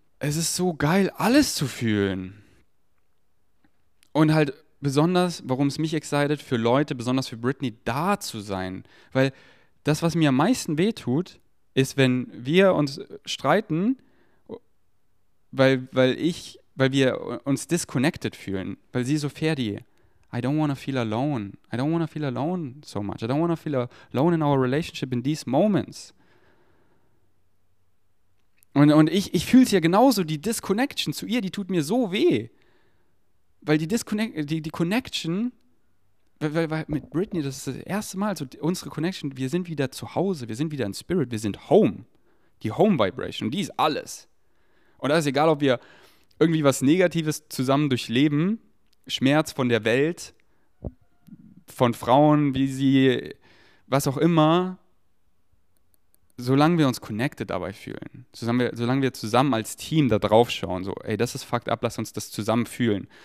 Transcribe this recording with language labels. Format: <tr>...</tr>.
<de>Es ist so geil, alles zu fühlen. Und halt besonders, warum es mich excited, für Leute, besonders für Britney, da zu sein. Weil das, was mir am meisten wehtut, ist, wenn wir uns streiten, weil wir uns disconnected fühlen. Weil sie so,</de> <en>Ferdi, I don't want to feel alone. I don't want to feel alone so much. I don't want to feel alone in our relationship in these moments.</en> <de>Und ich fühle es ja genauso, die Disconnection zu ihr, die tut mir so weh. Weil die Connection, weil mit Britney, das ist das erste Mal, also unsere Connection, wir sind wieder zu Hause, wir sind wieder in Spirit, wir sind home. Die Home-Vibration, die ist alles. Und da ist egal, ob wir irgendwie was Negatives zusammen durchleben, Schmerz von der Welt, von Frauen, wie sie, was auch immer, solange wir uns connected dabei fühlen, solange wir zusammen als Team da drauf schauen, so, ey, das ist fucked up, lass uns das zusammen fühlen.</de>